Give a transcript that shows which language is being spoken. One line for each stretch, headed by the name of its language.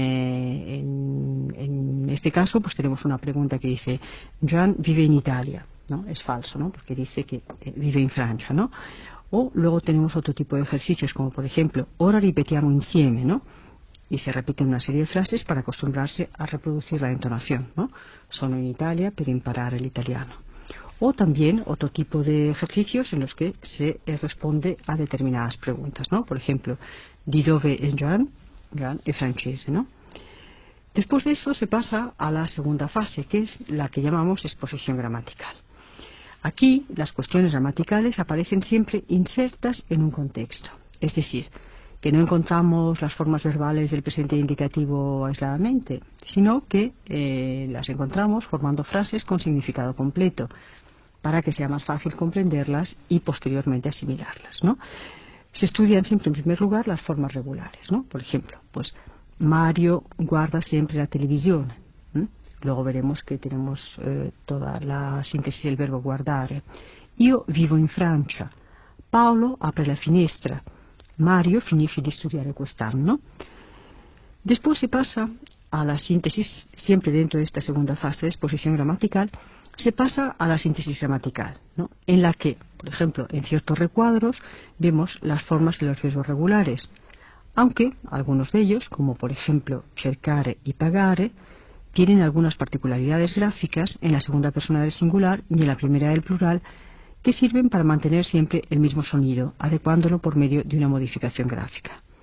Spanish: En este caso, pues tenemos una pregunta que dice, Joan vive en Italia, ¿no? Es falso, ¿no? Porque dice que vive en Francia, ¿no? O luego tenemos otro tipo de ejercicios, como por ejemplo,
Italian: ora ripetiamo insieme,
Spanish: ¿no? Y se repiten una serie de frases para acostumbrarse a reproducir la entonación, ¿no?
Italian: Sono in Italia per imparare l'italiano.
Spanish: O también otro tipo de ejercicios en los que se responde a determinadas preguntas, ¿no? Por ejemplo,
Italian: di dove è Joan? Joan è francese,
Spanish: ¿no? Después de eso se pasa a la segunda fase, que es la que llamamos exposición gramatical. Aquí las cuestiones gramaticales aparecen siempre insertas en un contexto. Es decir, que no encontramos las formas verbales del presente indicativo aisladamente, sino que las encontramos formando frases con significado completo, para que sea más fácil comprenderlas y posteriormente asimilarlas, ¿no? Se estudian siempre en primer lugar las formas regulares, ¿no? Por ejemplo, pues Mario guarda siempre la televisión, ¿eh? Luego veremos que tenemos toda la síntesis del verbo guardare.
Italian: Io vivo in Francia. Paolo apre la finestra. Mario finisce di studiare quest'anno.
Spanish: Después se pasa a la síntesis, siempre dentro de esta segunda fase de exposición gramatical, se pasa a la síntesis gramatical, ¿no? En la que, por ejemplo, en ciertos recuadros vemos las formas de los verbos regulares, aunque algunos de ellos, como por ejemplo cercare y pagare, tienen algunas particularidades gráficas en la segunda persona del singular y en la primera del plural que sirven para mantener siempre el mismo sonido, adecuándolo por medio de una modificación gráfica.